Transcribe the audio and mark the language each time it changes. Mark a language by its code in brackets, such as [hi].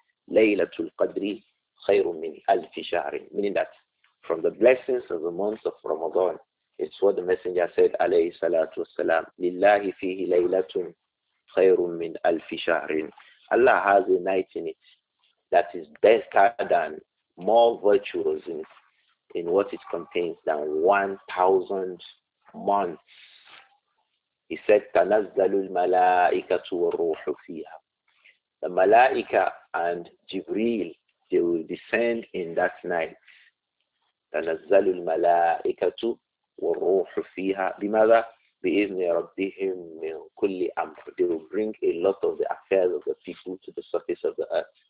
[ar] Laylatul Qadri khayrun min alfi shahr. [en] Meaning that from the blessings of the month of Ramadan, it's what the Messenger said, alayhi salatu wasalam, [ar] lillahi fihi laylatun khayrun min alfi shahr. [en] Allah has a night in it that is better than, more virtuous in what it contains than 1,000 months. He said, [ar] تَنَزَّلُ الْمَلَائِكَةُ وَالرُّوحُ فِيهَا. [en] The Malaika and Jibreel, they will descend in that night. [ar] تَنَزَّلُ الْمَلَائِكَةُ وَالرُّوحُ فِيهَا. بِمَذَا بِإِذْنِ رَبِّهِمْ مِنْ كُلِّ أَمْرٍ. [en] They will bring a lot of the affairs of the people to the surface of the earth.